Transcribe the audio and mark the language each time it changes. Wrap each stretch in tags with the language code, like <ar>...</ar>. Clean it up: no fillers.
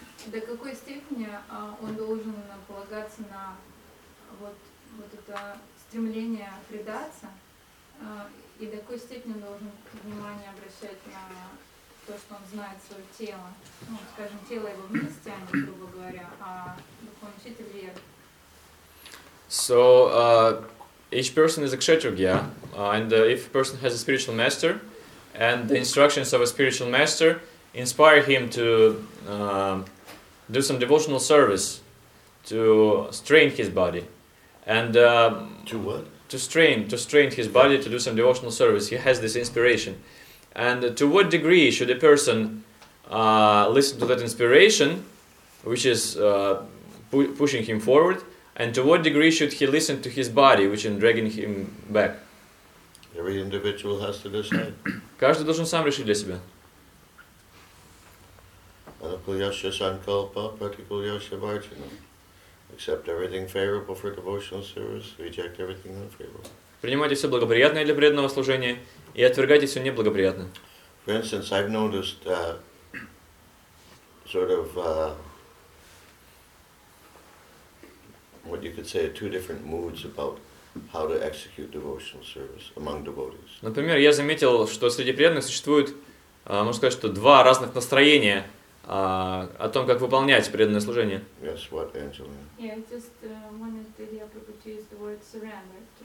<ru>До какой степени он должен полагаться на вот это стремление предаться, и до какой степени он должен внимание обращать на то, что он знает свое тело, ну, скажем, тело его вниз тянет, грубо говоря, а духовный учитель вверх.</ru> <en>So, each person is a kshetragya, and if a person has a spiritual master, and the instructions of a spiritual master inspire him to do some devotional service, to strain his body, and to what? To strain his body to do some devotional service. He has this inspiration. And to what degree should a person listen to that inspiration, which is pushing him forward, and to what degree should he listen to his body, which is dragging him back? Every individual has to decide.</en> <ru>Каждый должен сам решить для себя.</ru> <sa>Anupulyasya sankalpa, pratikulyasya vachana.</sa> <en>Accept everything favorable for devotional service, reject everything unfavorable.</en> <ru>Принимайте все благоприятное для преданного служения и отвергайте все неблагоприятное.</ru> <en>For instance, I've noticed sort of what you could say two different moods about how to execute devotional service among devotees.</en> <ru>Например, я заметил, что среди преданных существует, можно сказать, что два разных настроения о том, как выполнять преданное служение.</ru> <en>Yes, what, Angelina? Yeah, I just wanted to hear people use the word surrender.</en>